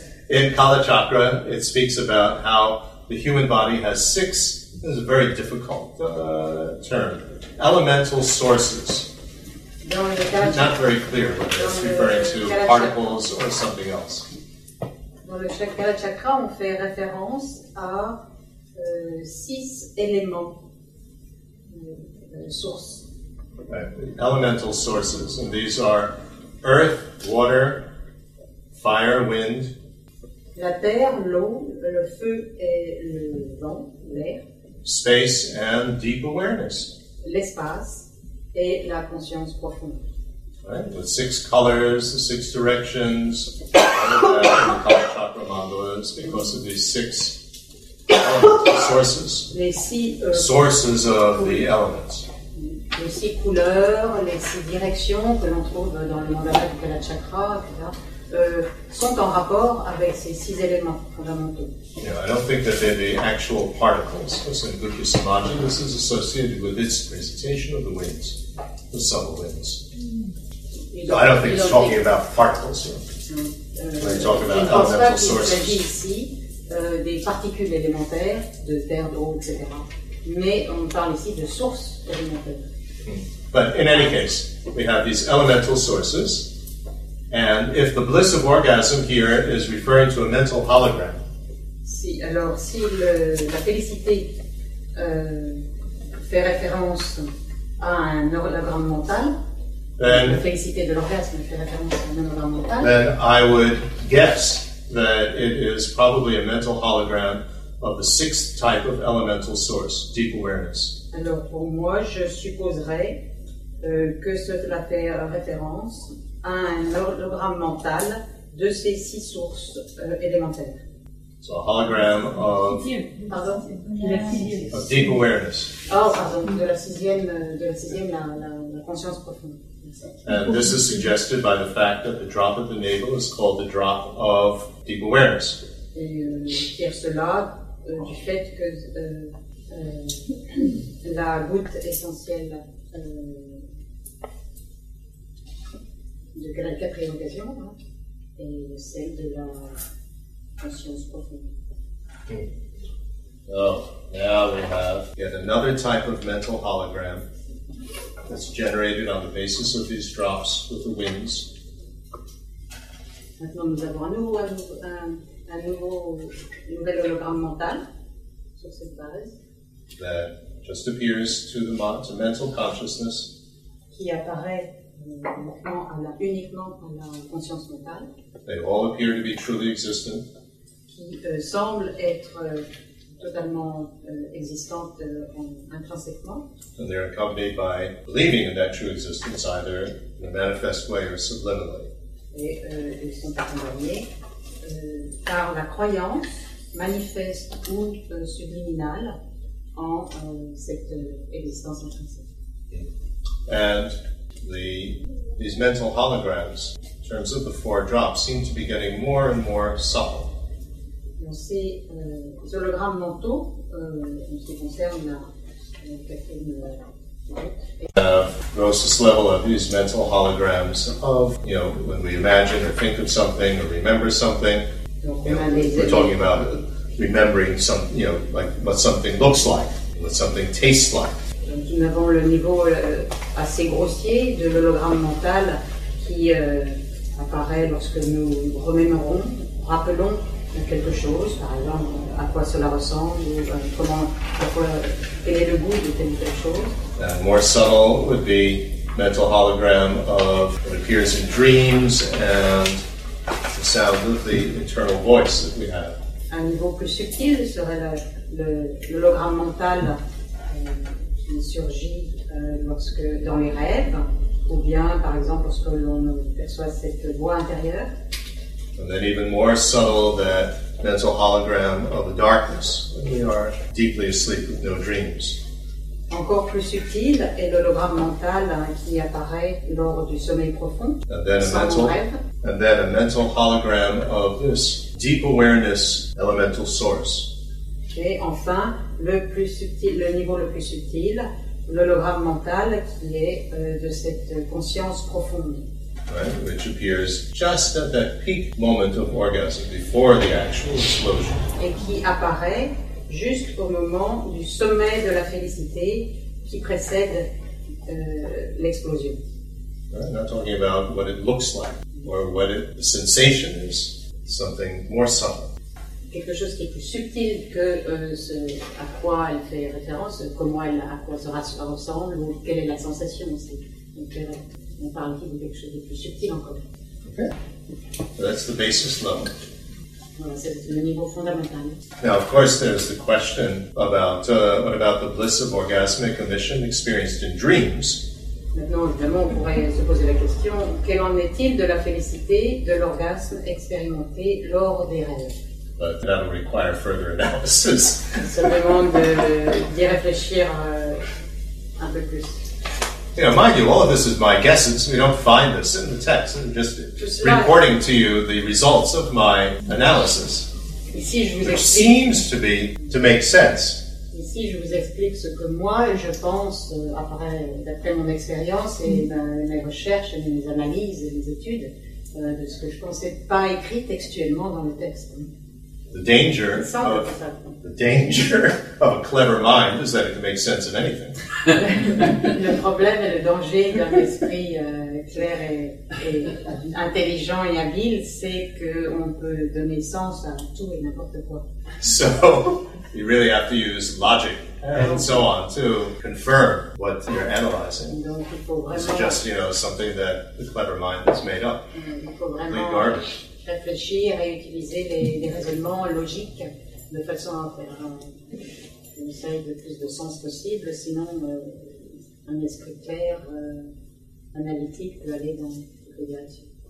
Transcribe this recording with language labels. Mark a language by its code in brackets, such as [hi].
[en] In Kalachakra, it speaks about how the human body has six, this is a very difficult term, elemental sources. It's not very clear whether it's referring to particles or something else. [fr] Dans le Kalachakra, on fait référence à six éléments. [en] Source. Right, the elemental sources, and these are earth, water, fire, wind. [fr] La terre, l'eau, le feu et le vent, l'air. [en] Space and deep awareness. [fr] L'espace et la conscience profonde. [en] Right, the six colors, the six directions, all of that in the Kalachakra mandalas because of these six. Sources. [fr] Les six, [en] sources of the elements. [fr] Les six couleurs, les six directions que l'on trouve dans le mandala du Kalachakra, etc., sont en rapport avec ces six éléments fondamentaux. [en] Yeah, I don't think that they're the actual particles. Because in Gouttes Samadhi, this is associated with its presentation of the winds, the subtle winds. So I don't think it's talking about particles here. When you talk about elemental sources. [fr] Des particules élémentaires, de terre, d'eau, etc. Mais on parle ici de sources élémentaires. [en] But in any case, we have these elemental sources, and if the bliss of orgasm here is referring to a mental hologram. [fr] Si, alors si la félicité fait référence à un hologramme mental, [en] then, [fr] la félicité de l'orgasme fait référence à un hologramme mental, [en] then I would guess that it is probably a mental hologram of the sixth type of elemental source, deep awareness. [fr] Alors, pour moi, je supposerais que cela fait référence à un hologramme mental de ces six sources élémentaires. [en] So a hologram of deep awareness. [fr] Oh, pardon, de la sixième, la conscience profonde. [en] And this is suggested by the fact that the drop of the navel is called the drop of deep awareness. [fr] Et tire cela du fait que la goutte essentielle de la quatrième occasion est celle de la conscience profonde. [en] Oh, now we have yet another type of mental hologram that's generated on the basis of these drops with the winds. [fr] Maintenant, nous avons un nouvel hologramme mental sur cette base. [en] That just appears to mental consciousness. [fr] Qui apparaît uniquement à la conscience mentale. [en] They all appear to be truly existent. [fr] Qui semble être totalement existante intrinsèquement. [en] And they're accompanied by believing in that true existence either in a manifest way or subliminally. [fr] Et ils sont accompagnés par la croyance manifeste ou subliminale en cette existence intrinsèque. [en] And these mental holograms, in terms of the four drops, seem to be getting more and more subtle. [fr] Ces hologrammes mentaux, en ce qui concerne la quatrième [en] grossest level of these mental holograms of, you know, when we imagine or think of something or remember something, we're talking about remembering some, you know, like what something looks like, what something tastes like. [fr] Donc nous avons le niveau assez grossier de l'hologramme mental qui apparaît lorsque nous remémorons, rappelons quelque chose, par exemple, à quoi cela ressemble, ou quel est le goût de telle ou telle chose. [en] And more subtle would be mental hologram of what appears in dreams and the sound of the internal voice that we have. [fr] Un niveau plus subtil serait l'hologramme mental qui surgit lorsque dans les rêves, ou bien, par exemple, lorsque l'on perçoit cette voix intérieure. [en] And then even more subtle, that mental hologram of the darkness when we are deeply asleep with no dreams. [fr] Encore plus subtil est l'hologramme mental qui apparaît lors du sommeil profond, [en] And then a mental hologram of this deep awareness elemental source. [fr] Et enfin, le niveau le plus subtil, l'hologramme mental qui est de cette conscience profonde. [en] Right, which appears just at that peak moment of orgasm before the actual explosion. [fr] Et qui apparaît juste au moment du sommet de la félicité qui précède l'explosion. [en] Right, not talking about what it looks like or what the sensation is, something more subtle. [fr] Quelque chose qui est plus subtil que ce à quoi elle fait référence, à quoi cela ressemble ou quelle est la sensation aussi. On parle ici de quelque chose de plus subtil encore. [en] Okay. So that's the basis level. [fr] Voilà, c'est le niveau fondamental. [en] Now, of course, there's the question about what about the bliss of orgasmic emission experienced in dreams. [fr] Maintenant, évidemment, on pourrait se poser la question, quel en est-il de la félicité de l'orgasme expérimenté lors des rêves? [en] But that'll require further analysis. [fr] Ça demande d'y réfléchir un peu plus. [en] You know, mind you, all of this is my guesses. We don't find this in the text. I'm just reporting to you the results of my analysis. [fr] Ici, je vous [en] which seems to be to make sense. [fr] Ici, je vous explique ce que moi je pense d'après mon expérience et mes recherches et mes analyses et mes études de ce que je pensais pas écrit textuellement dans le texte. [en] The danger of a clever mind is that it can make sense of anything. [fr] Le problème et le danger d'un esprit clair et intelligent et habile, c'est que on peut donner sens à tout et n'importe quoi. [en] So you really have to use logic and so on to confirm what you're analyzing. [fr] Donc, il faut vraiment [en] suggest, you know, something that the clever mind has made up. Complete garbage. [fr] Réfléchir et utiliser les raisonnements logiques de façon à faire essayer de plus de sens possible, sinon un esprit clair, analytique peut aller dans les directions.